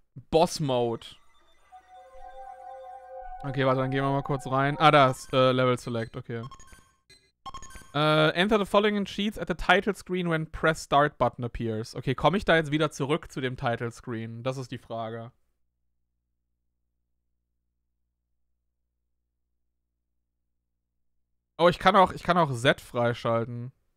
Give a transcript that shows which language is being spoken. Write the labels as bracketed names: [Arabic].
[English] Boss Mode. [German] Okay, warte, dann gehen wir mal kurz rein. Ah, da ist Level Select, okay. [English] Enter the following sheets at the title screen when press start button appears. [German] Okay, komme ich da jetzt wieder zurück zu dem Title Screen? Das ist die Frage. Oh, ich kann auch Z freischalten.